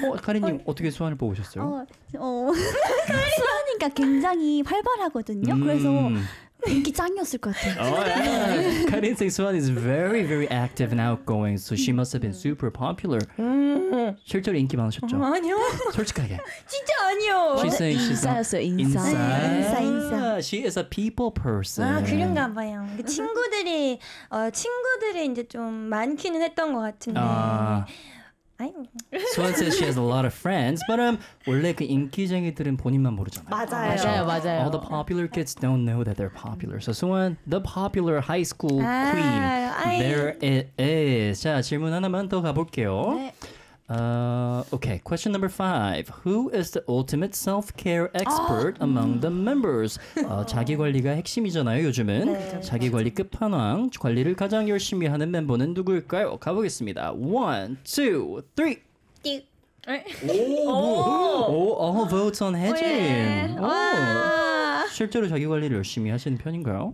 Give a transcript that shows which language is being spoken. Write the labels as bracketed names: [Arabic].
[Korean] 카린님, 어떻게 수환을 뽑으셨어요? 수환이가 굉장히 활발하거든요. 그래서 인기 짱이었을 것 같아요. [English] Karin thinks Suwan is very, very active and outgoing, so she must have been super popular. [Korean] 실제로 인기 많으셨죠? 아니요! 솔직하게! 진짜 아니요! [English] She's saying she's [Korean] 인싸였어요, 인싸. 인싸. [English] She is a people person. [Korean] 그런가 봐요. 그 친구들이 이제 좀 많기는 했던 것 같은데. [English] Suwan says she has a lot of friends, but [Korean] 원래 그 인기쟁이들은 본인만 모르잖아요. 맞아요. 맞아요. [English] All the popular kids don't know that they're popular. So Suwan, the popular high school queen. There it is. [Korean] 자, 질문 하나만 더 가볼게요. 네. [English] Okay, question number five. Who is the ultimate self-care expert among the members? [Korean] 자기관리가 핵심이잖아요, 요즘은. 네, 자기관리 끝판왕, 관리를 가장 열심히 하는 멤버는 누구일까요? 가보겠습니다. [English] One, two, three. 띡. 오, all votes on 혜진. [Korean] 와. 실제로 자기관리를 열심히 하시는 편인가요?